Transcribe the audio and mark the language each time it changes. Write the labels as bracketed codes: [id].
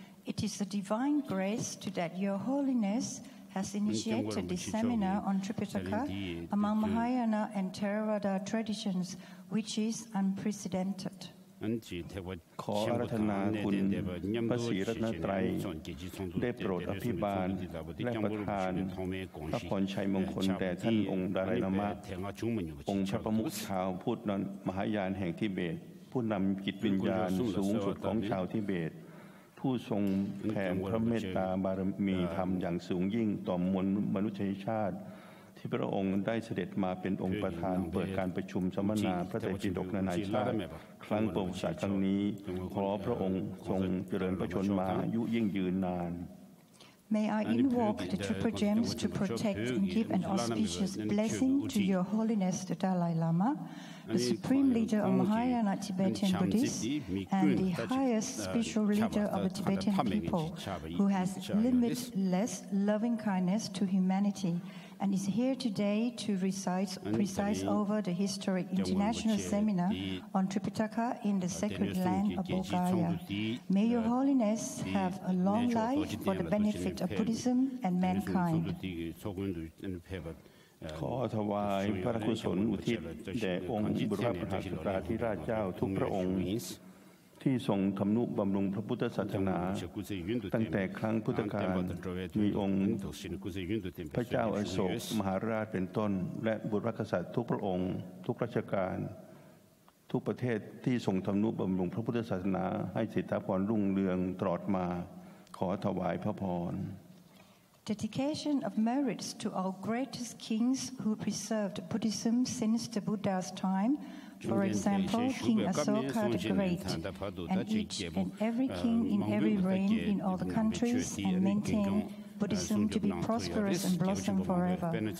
[en] It is a divine grace to that Your Holiness has initiated this seminar on Tripitaka among Mahayana and Theravada traditions which is unprecedented. [th] ขออาราธนาคุณพระศรีรัตนตรัยได้โปรดอภิบาลและประทานพระพรชัยมงคลแต่ท่านองค์ดาไลลามะองค์พระประมุขชาวพุทธนั้นมหายานแห่งทิเบตผู้นำจิตวิญญาณสูงสุดของชาวทิเบต ผู้ทรงแผ่พระเมตตาบารมีธรรมอย่างสูงยิ่งต่อมวลมนุษยชาติที่พระองค์ได้เสด็จมาเป็นองค์ประธานเปิดการประชุมสัมมนาพระไตรปิฎกนานาชาติครั้งประวัติศาสตร์ครั้งนี้ขอพระองค์ทรงเจริญพระชนมายุยิ่งยืนนาน [en] May I invoke the Triple Gems to protect and give an auspicious blessing to Your Holiness the Dalai Lama, the Supreme Leader of Mahayana Tibetan Buddhists, and the highest spiritual leader of the Tibetan people, who has limitless loving kindness to humanity. And is here today to preside over the historic international seminar on Tripitaka in the sacred land of Bulgaria. May Your Holiness have a long life for the benefit of Buddhism and mankind. [th] ขอถวายพระกุศลอุทิศแด่องค์บรมพระศาสดาธิราชเจ้าทุกพระองค์ที่ทรงทำนุบำรุงพระพุทธศาสนาตั้งแต่ครั้งพุทธกาลมีองค์พระเจ้าอโศกมหาราชเป็นต้นและบุรุษกษัตริย์ทุกพระองค์ทุกราชการทุกประเทศที่ทรงทำนุบำรุงพระพุทธศาสนาให้สิทธาพรรุ่งเรืองตรอดมาขอถวายพระพร [en] Dedication of merits to our greatest kings who preserved Buddhism since the Buddha's time. For example, King Asoka the Great, and each and every king in every reign in all the countries, and maintain Buddhism to be prosperous and blossom forever.